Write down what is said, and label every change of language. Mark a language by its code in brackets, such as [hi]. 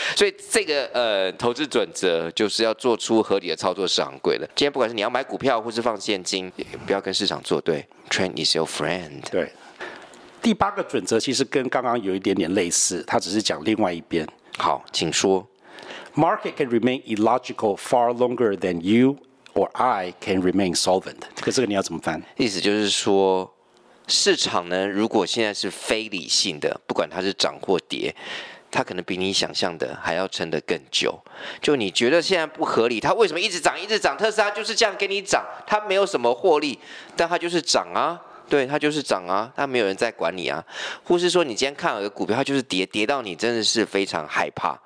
[zh] 所以这个投资准则就是要做出合理的操作是很贵的。今天不管是你要买股票或是放现金，不要跟市场作对。 [en] Trend is your friend。 [zh] 对，第八个准则其实跟刚刚有一点点类似，它只是讲另外一边。好，请说。 [en] Market can remain illogical far longer than you or I can remain solvent。 [zh] 这个你要怎么翻？意思就是说，市场呢，如果现在是非理性的，不管它是涨或跌。它可能比你想象的还要撑得更久，就你觉得现在不合理，它为什么一直涨一直涨，特斯拉就是这样给你涨，它没有什么获利，但它就是涨啊，对，它就是涨啊，它没有人在管你啊，或是说你今天看了个股票，它就是跌，跌到你真的是非常害怕，